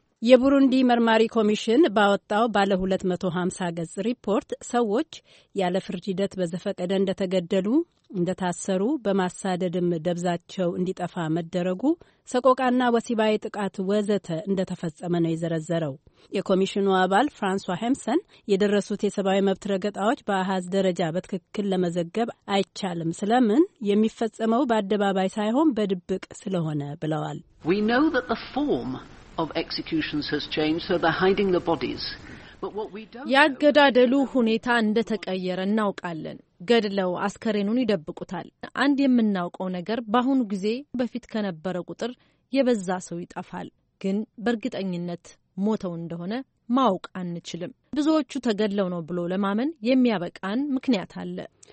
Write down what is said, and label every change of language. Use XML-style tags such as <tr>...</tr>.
<am>የቡሩንዲ መርማሪ ኮሚሽን ባወጣው ባለ 250 ገጽ ሪፖርት ሰዎች ያለ ፍርድ ሂደት በዘፈቀደ እንደተገደሉ፣ እንደታሰሩ፣ በማሳደድም ደብዛቸው እንዲጠፋ መደረጉ፣ ሰቆቃና ወሲባዊ ጥቃት ወዘተ እንደተፈጸመ ነው የዘረዘረው። የኮሚሽኑ አባል ፍራንሷ ሄምሰን የደረሱት የሰብአዊ መብት ረገጣዎች በአሃዝ ደረጃ በትክክል ለመዘገብ አይቻልም፣ ስለምን የሚፈጸመው በአደባባይ ሳይሆን በድብቅ ስለሆነ ብለዋል።</am> <en>We know that the form of executions has changed, so they're hiding the bodies.</en> <am>ያገዳደሉ ሁኔታ እንደተቀየረ እናውቃለን። ገድለው አስከሬኑን ይደብቁታል። አንድ የምናውቀው ነገር በአሁኑ ጊዜ በፊት ከነበረ ቁጥር የበዛ ሰው ይጠፋል። ግን በእርግጠኝነት ሞተው እንደሆነ ማውቅ አንችልም። ብዙዎቹ ተገድለው ነው ብሎ ለማመን የሚያበቃን ምክንያት አለ።</am>